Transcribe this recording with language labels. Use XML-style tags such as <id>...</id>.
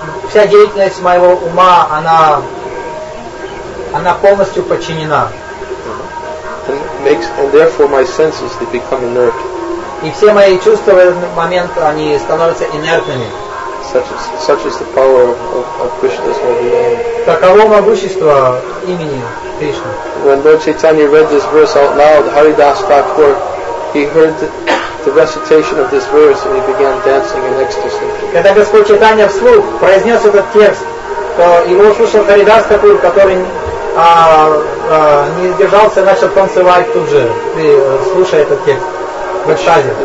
<ru>Вся деятельность моего ума, она полностью подчинена.</ru> <en>And therefore my senses, they become inert.</en> <ru>И все мои чувства в этот момент, они становятся инертными.</ru> <en>Such is the power of Krishna's holy name.</en> <ru>Таково могущество имени Кришны.</ru> <en>When Lord Chaitanya read this verse out loud, Haridas Thakur, he heard the recitation of this verse and he began dancing in ecstasy.</en> <ru>Когда Господь Чайтанья вслух произнес этот текст, то его услышал Харидас Такур, который не сдержался и начал танцевать тут же, слушая этот текст в экстазе.</ru>